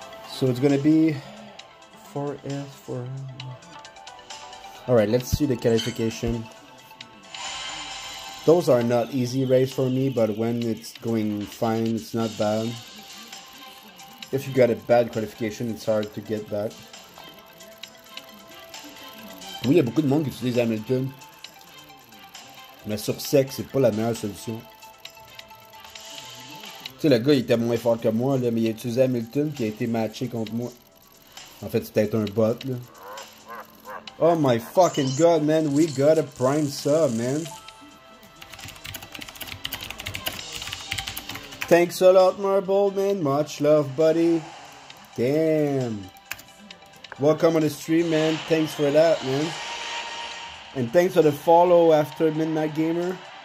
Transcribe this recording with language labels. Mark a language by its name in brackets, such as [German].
[English] So it's gonna be 4S4. Alright, let's see the qualification. Those are not easy race for me, but when it's going fine, it's not bad. If you got a bad qualification, it's hard to get back. [French] Oui, il y a beaucoup de monde qui utilise Hamilton. Mais sur sec, c'est pas la meilleure solution. Tu sais, le gars, il était moins fort que moi, là, mais il a utilisé Hamilton qui a été matché contre moi. En fait, c'est peut-être un bot, là. [English] Oh my fucking god, man, we got a prime sub, man. Thanks a lot, Marble, man. Much love, buddy. Damn. Welcome on the stream, man. Thanks for that, man. And thanks for the follow after Midnight Gamer.